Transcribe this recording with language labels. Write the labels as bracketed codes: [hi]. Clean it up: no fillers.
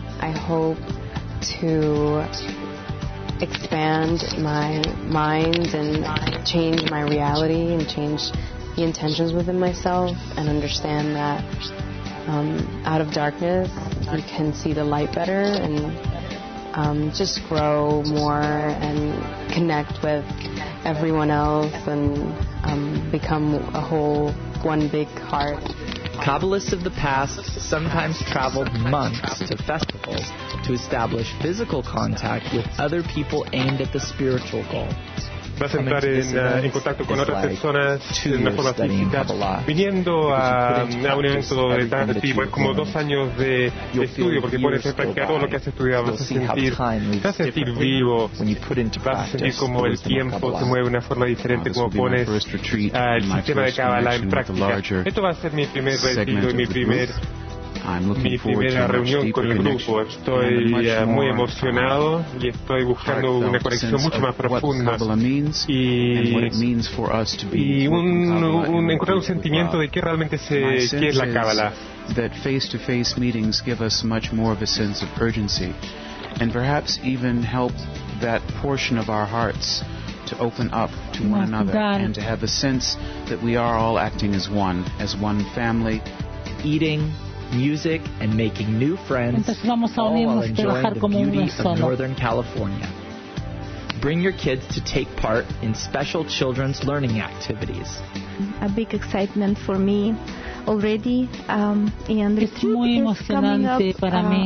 [en] I hope to expand my mind and change my reality and change the intentions within myself and understand that out of darkness I can see the light better and just grow more and connect with everyone else and become a whole one big heart. Kabbalists of the past sometimes traveled months to festivals to establish physical contact with other people aimed at the spiritual goal. [es] Vas a entrar en contacto con otras personas de una forma física, viniendo a un evento de tal tipo, es como dos años de estudio, porque pones en práctica todo lo que has estudiado, vas a sentir vivo, vas a sentir como el tiempo se mueve de una forma diferente, como pones el sistema de Kabbalah en práctica. Esto va a ser mi primer retiro y mi primera reunión con el grupo. Estoy muy emocionado y estoy buscando una conexión mucho más profunda y encontrar un sentimiento de qué realmente qué es la Kábala. [en] That face-to-face meetings give us much more of a sense of urgency and perhaps even help that portion of our hearts to open up to one another and to have a sense that we are all acting as one family, eating music and making new friends. [es] Entonces vamos a unirnos, trabajar como un solo. [en] Northern California. Bring your kids to take part in special children's learning activities. A big excitement for me already, and [es] es muy emocionante para mí.